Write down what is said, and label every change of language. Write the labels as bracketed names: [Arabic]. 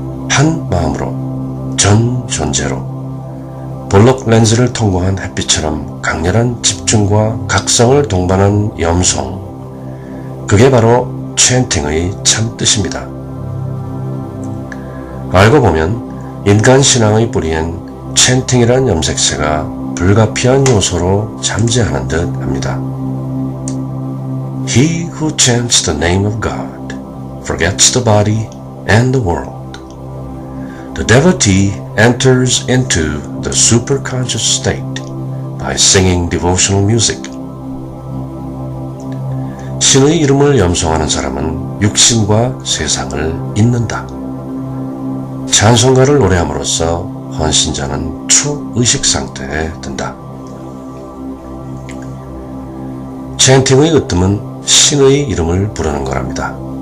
[Korean] 한 마음으로, 전 존재로, 볼록 렌즈를 통과한 햇빛처럼 강렬한 집중과 각성을 동반한 염성, 그게 바로 챈팅의 참뜻입니다. 알고 보면 인간 신앙의 뿌리엔 챈팅이란 염색체가 불가피한 요소로 잠재하는 듯 합니다. [English] He who chants the name of God forgets the body and the world. The devotee enters into the superconscious state by singing devotional music. [Korean] 신의 이름을 염성하는 사람은 육신과 세상을 잊는다. 찬송가를 노래함으로써 헌신자는 초의식 상태에 든다. 챈팅의 으뜸은 신의 이름을 부르는 거랍니다.